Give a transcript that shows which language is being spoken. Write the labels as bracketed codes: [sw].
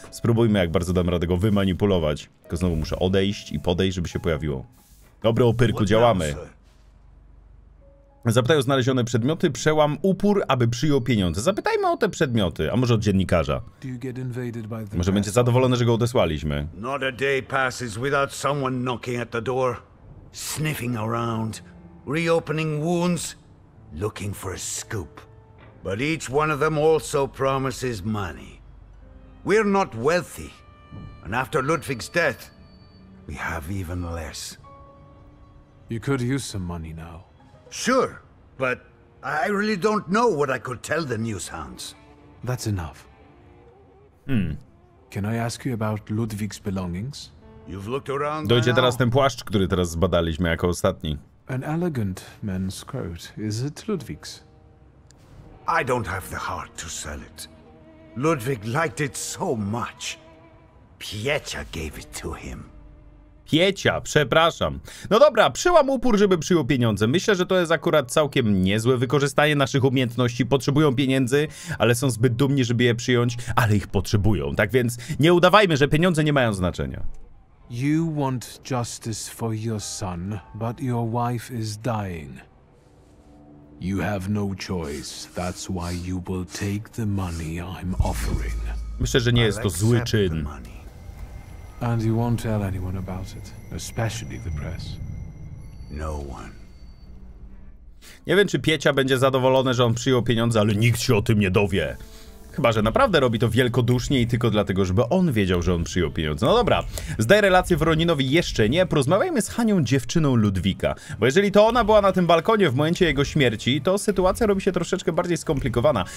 [pl] Spróbujmy, jak bardzo dam radę go wymanipulować. Tylko znowu muszę odejść i podejść, żeby się pojawiło. Dobre, opyrku, działamy. Zapytaj o znalezione przedmioty, przełam upór, aby przyjął pieniądze. Zapytajmy o te przedmioty, a może od dziennikarza. Może będzie zadowolony, że go odesłaliśmy. [en] Not a day passes without someone knocking at the door, sniffing around, reopening wounds, looking for a scoop. But each one of them also promises money. We're not wealthy, and after Ludwig's death, we have even less. You could use some money now. Sure, but I really don't know what I could tell the news hounds. That's enough. Can I ask you about Ludwig's belongings? You've looked around. [pl] Dojdzie teraz ten płaszcz, który teraz zbadaliśmy jako ostatni. [en] An elegant men's coat. Is it Ludwig's? I don't have the heart to sell it. Ludwig liked it so much. Pietia gave it to him. [pl] Piecia, przepraszam. No dobra, przełam upór, żeby przyjął pieniądze. Myślę, że to jest akurat całkiem niezłe wykorzystanie naszych umiejętności. Potrzebują pieniędzy, ale są zbyt dumni, żeby je przyjąć, ale ich potrzebują. Tak więc nie udawajmy, że pieniądze nie mają znaczenia. [en] You want justice for your son, but your wife is dying. You have no choice. That's why you will take the money I'm offering. [pl] Myślę, że nie jest to zły czyn. [en] And you won't tell anyone about it, especially the press. No one. [pl] Nie wiem, czy Piecia będzie zadowolony, że on przyjął pieniądze, ale nikt się o tym nie dowie. Chyba, że naprawdę robi to wielkodusznie i tylko dlatego, żeby on wiedział, że on przyjął pieniądze. No dobra, zdaj relację Woroninowi jeszcze nie, porozmawiajmy z Hanią, dziewczyną Ludwika. Bo jeżeli to ona była na tym balkonie w momencie jego śmierci, to sytuacja robi się troszeczkę bardziej skomplikowana.